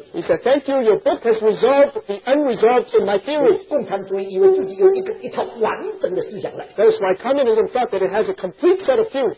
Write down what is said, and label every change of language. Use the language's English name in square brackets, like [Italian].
[English] he said, thank you, your book has resolved the unresolved in my theory. [Chinese] 共产主义以为自己有一套完整的思想了, [English] that is why communism thought that it has a complete set of theory.